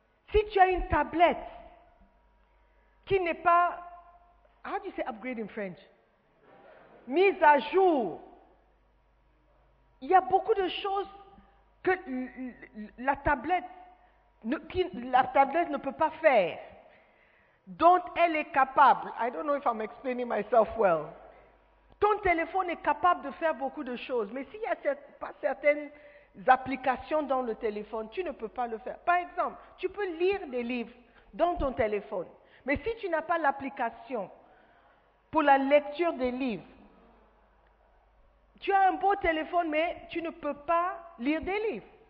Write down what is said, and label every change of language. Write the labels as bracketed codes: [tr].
[fr] Si tu as une tablette, qui n'est pas, [en] how do you say upgrade in French? [fr] Mise à jour. Il y a beaucoup de choses que la tablette ne peut pas faire, dont elle est capable. [en] I don't know if I'm explaining myself well. [fr] Ton téléphone est capable de faire beaucoup de choses, mais s'il n'y a pas certaines applications dans le téléphone, tu ne peux pas le faire. Par exemple, tu peux lire des livres dans ton téléphone. Mais si tu n'as pas l'application pour la lecture des livres, tu as un beau téléphone, mais tu ne peux pas lire des livres.